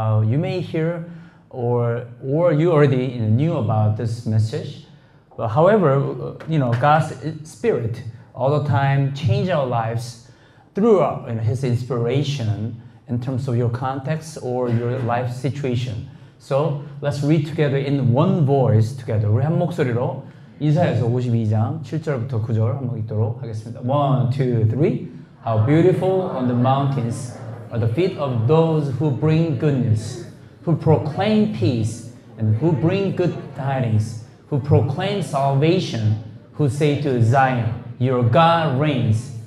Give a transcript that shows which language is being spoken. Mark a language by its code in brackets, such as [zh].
[en] You may hear or you already knew about this message. But however, you know, God's Spirit all the time change our lives through His inspiration in terms of your context or your life situation. So let's read together in one voice together. [ko] 우리 한 목소리로 이사야서 52장 7절부터 9절 한번 읽도록 하겠습니다. [en] 1, 2, 3. How beautiful on the mountains are the feet of those who bring goodness, who proclaim peace, and who bring good tidings, who proclaim salvation, who say to Zion, Your God reigns.